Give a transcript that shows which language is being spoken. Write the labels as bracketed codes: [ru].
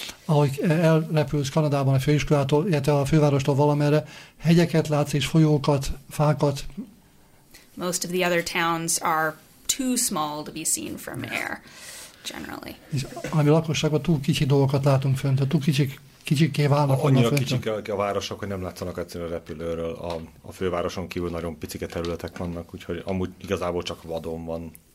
[hu] Ahogy elrepülsz Kanadában a főiskolától, illetve a fővárostól valamerre, hegyeket látsz és folyókat, fákat. [en] Most of the other towns are too small to be seen from air, generally. [hu] És ami lakosságban túl kicsi dolgokat látunk fönt, túl kicsiké válnak. Annyira kicsik a városok, hogy nem látszanak egyszerűen a repülőről. A fővároson kívül nagyon picike területek vannak, úgyhogy amúgy igazából csak vadon van.